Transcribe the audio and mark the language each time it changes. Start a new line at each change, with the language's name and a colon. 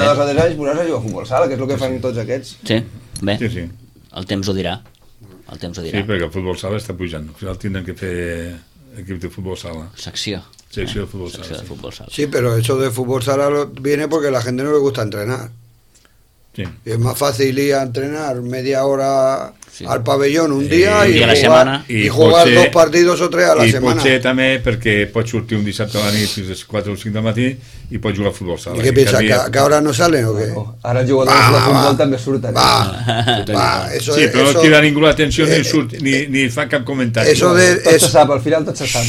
Catalan: de 2 o 3 anys posar-se a jugar a futbol sala, que és el que fan tots aquests. Sí, bé, el temps ho dirà, el temps ho dirà. Sí, perquè el futbol sala està pujant, al final tindran que fer equip de futbol sala, secció de futbol sala. Sí, però això de futbol sala
Spanish: viene
Catalan: perquè a la gent no li
Spanish: gusta
Catalan: entrenar. Sí.
Spanish: Es más fácil ir a entrenar media hora, sí, al pabellón un día y jugar, la semana. Y jugar
Catalan: potser,
Spanish: 2 partidos o 3 a la semana.
Catalan: Y potser també perquè pots sortir un dissabte a la nit fins a les 4 o 5 del matí i pots jugar a futbol sala. I què pensa, que ara
Spanish: no salen
Catalan: o què? No, ara els jugadors de futbol també surten. Va, sí, però no tira ningú l'atenció ni surt, ni fa cap comentari.
Spanish: Eso de,
Catalan: tot se sap, al final tot se sap.